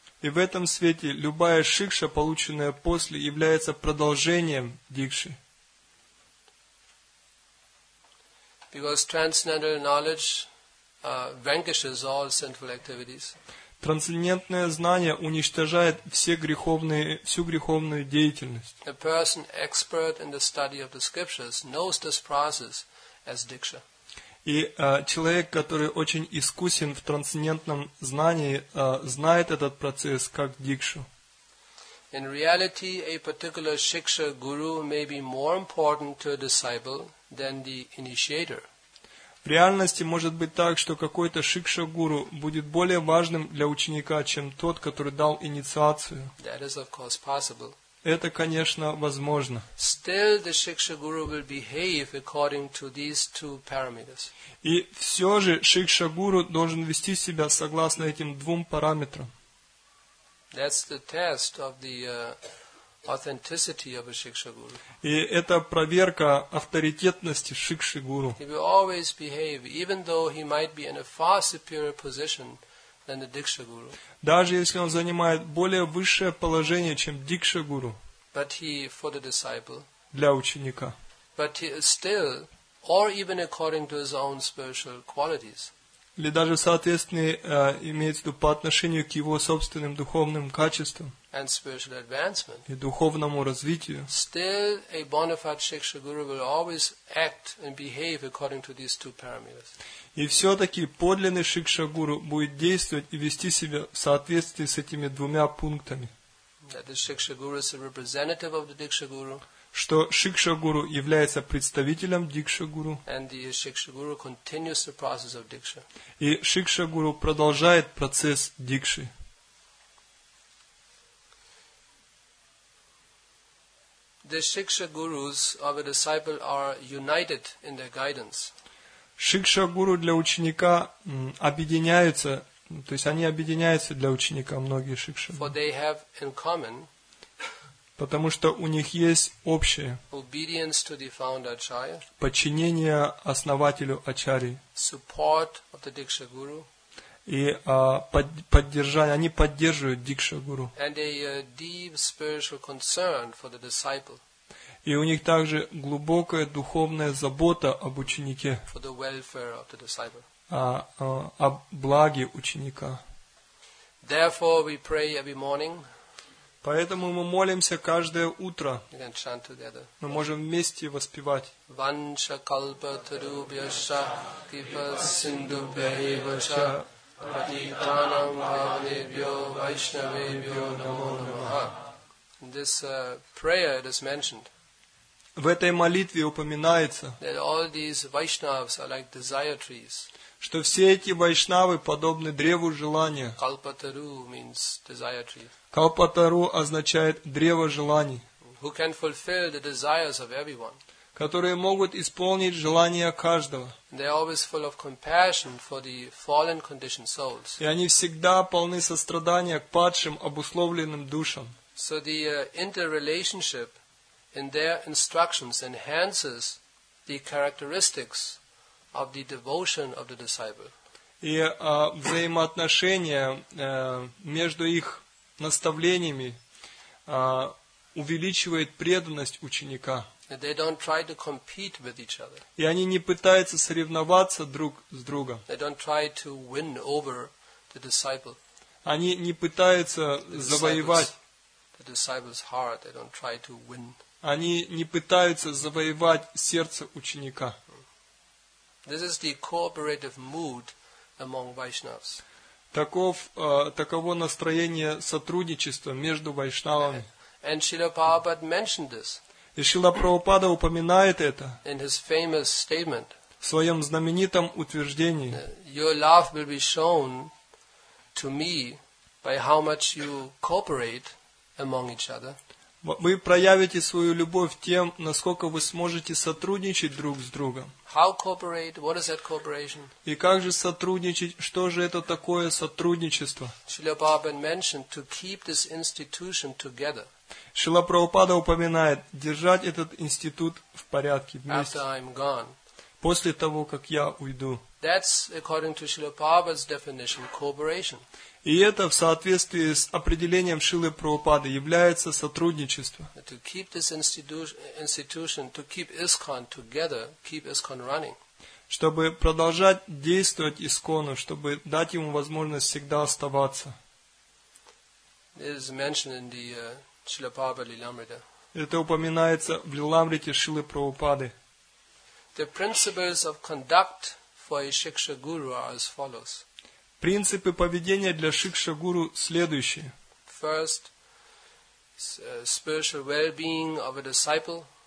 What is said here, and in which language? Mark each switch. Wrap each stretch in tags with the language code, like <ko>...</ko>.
<ru>И в этом свете любая шикша, полученная после, является продолжением дикши.</ru> <en>Because transcendental knowledge vanquishes all sinful activities.</en> <ru>Трансцендентное знание уничтожает всю греховную деятельность.</ru> <en>A person expert in the study of the scriptures knows this process as diksha.</en> <ru>И человек, который очень искусен в трансцендентном знании, знает этот процесс как дикшу.</ru> <en>In reality, a particular shiksha guru may be more important to a disciple than the initiator.</en> <ru>В реальности может быть так, что какой-то шикша-гуру будет более важным для ученика, чем тот, который дал инициацию.</ru> <en>That is, of course, possible.</en> <ru>Это, конечно, возможно.</ru> <en>Still, the shikshaguru will behave according to these two parameters.</en> <ru>И все же шикшагуру должен вести себя согласно этим двум параметрам.</ru> <en>That's the test of the authenticity of a shikshaguru.</en> <ru>И это проверка авторитетности шикшагуру.</ru> <en>He will always behave, even though he might be in a far superior position than the dikshaguru.</en> <ru>Даже если он занимает более высшее положение, чем дикшагуру.</ru> <en>But he for the disciple.</en> <ru>Для ученика.</ru> <en>But he is still, or even according to his own spiritual qualities.</en> <ru>Или даже соответственно имеет в виду по отношению к его собственным духовным качествам.</ru> <en>And spiritual advancement.</en> <ru>И духовному развитию.</ru> <en>Still, a bona fide shikshaguru will always act and behave according to these two parameters.</en> <ru>И все-таки подлинный шикшагуру будет действовать и вести себя в соответствии с этими двумя пунктами.</ru> <en>That the shikshaguru is a representative of the dikshaguru.</en> <ru>Что шикшагуру является представителем дикшагуру.</ru> <en>And the shikshaguru continues the process of diksha.</en> <ru>И шикшагуру продолжает процесс дикши.</ru> <en>The shikshagurus of a disciple are united in their guidance.</en> <ru>Шикшагуру для ученика объединяются, то есть они объединяются для ученика, многие шикшагуру.</ru> <en>For they have in common,</en> <ru>потому что у них есть общее</ru> <en>obedience to the founder Acharya,</en> <ru>подчинение основателю Ачарьи,</ru> <en>support of the dikshaguru,</en> <ru>и поддержание, они поддерживают дикшагуру.</ru> <en>And a deep spiritual concern for the disciple.</en> <ru>И у них также глубокая духовная забота об ученике.</ru> <en>For the welfare of the disciple.</en> <ru>О благе ученика.</ru> <en>Therefore we pray every morning.</en> <ru>Поэтому мы молимся каждое утро.</ru> <en>We can chant together.</en> <ru>Мы можем вместе воспевать.</ru> <sa>Ванша калпа трубьяша кипа синду бьяхиваша патитанам бхавнебьо вайшнавебьо намо намаха.</sa> <en>This prayer it is mentioned.</en> <ru>В этой молитве упоминается,</ru> <en>that all these Vaishnavas are like desire trees.</en> <ru>Что все эти вайшнавы подобны древу желания.</ru> <en>Kalpataru means desire tree.</en> <ru>Kalpataru означает древо желаний.</ru> <en>Who can fulfill the desires of everyone.</en> <ru>Которые могут исполнить желания каждого.</ru> <en>They are always full of compassion for the fallen conditioned souls.</en> <ru>И они всегда полны сострадания к падшим обусловленным душам.</ru> <en>So the interrelationship in their instructions enhances the characteristics of the devotion of the disciple.</en> <ru>И взаимоотношения между их наставлениями увеличивает преданность ученика.</ru> <en>And they don't try to compete with each other.</en> <ru>И они не пытаются соревноваться друг с другом.</ru> <en>They don't try to win over the disciple.</en> <ru>Они не пытаются завоевать</ru> <en>the disciple's heart. They don't try to win.</en> <ru>Они не пытаются завоевать сердце ученика.</ru> <en>This is the cooperative mood among Vaishnavas.</en> <ru>Таково настроение сотрудничества между вайшнавами.</ru> <en>And Srila Prabhupada mentioned this.</en> <ru>И Шрила Прабхупада упоминает это.</ru> <en>In his famous statement.</en> <ru>В своем знаменитом утверждении.</ru> <en>Your love will be shown to me by how much you cooperate among each other.</en> <ru>Вы проявите свою любовь тем, насколько вы сможете сотрудничать друг с другом.</ru> <en>How cooperate? What is that cooperation?</en> <ru>И как же сотрудничать? Что же это такое сотрудничество?</ru> <en>Srila Prabhupada mentioned to keep this institution together.</en> <ru>Шрила Прабхупада упоминает держать этот институт в порядке вместе.</ru> <en>After I'm gone.</en> <ru>После того, как я уйду.</ru> <en>That's according to Srila Prabhupada's definition cooperation.</en> <ru>И это в соответствии с определением Шрилы Прабхупады является сотрудничество.</ru> <en>To keep this institution, to keep ISKCON together, keep ISKCON running.</en> <ru>Чтобы продолжать действовать ИСККОНу, чтобы дать ему возможность всегда оставаться.</ru> <en>It is mentioned in the Srila Prabhupada Lilamrita.</en> <ru>Это упоминается в Лиламрите Шрилы Прабхупады.</ru> <en>The principles of conduct for a Shiksha Guru are as follows.</en> <ru>Принципы поведения для шикшагуру следующие.</ru> <en>First, spiritual well-being of a disciple.</en>